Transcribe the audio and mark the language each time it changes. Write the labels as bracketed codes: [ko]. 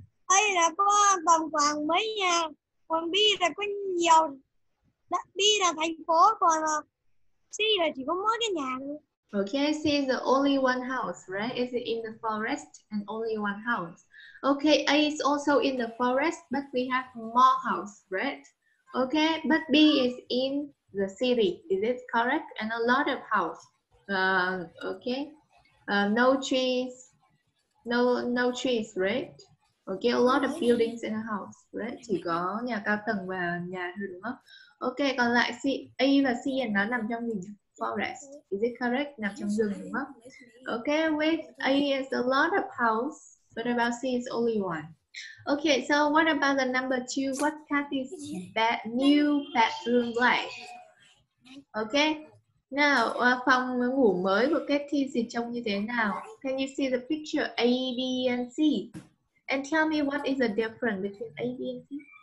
[vi] Đây là có tầm khoảng mấy nhà, còn B là có nhiều, B là thành phố, còn C là chỉ có mỗi cái nhà thôi. [en] Okay, C is the only one house, right? Is it in the forest and only one house? Okay, A is also in the forest, but we have more house, right? Okay, but B is in the city, is it correct? And a lot of house, okay? No trees, right? Ok, a lot of buildings in a house, right? [vi] Chỉ có nhà cao tầng và nhà thôi đúng không? Ok, còn lại C, A và C nó nằm trong gì? [en] Forest, is it correct? [vi] Nằm trong rừng đúng không? [en] Ok, with A is a lot of house, but about C is only one. Ok, so what about the number two? What Cathy's new bedroom like? Ok, now [vi] phòng ngủ mới của Cathy thì trông như thế nào? [en] Can you see the picture A, B and C? And tell me what is the difference between A, B, and C?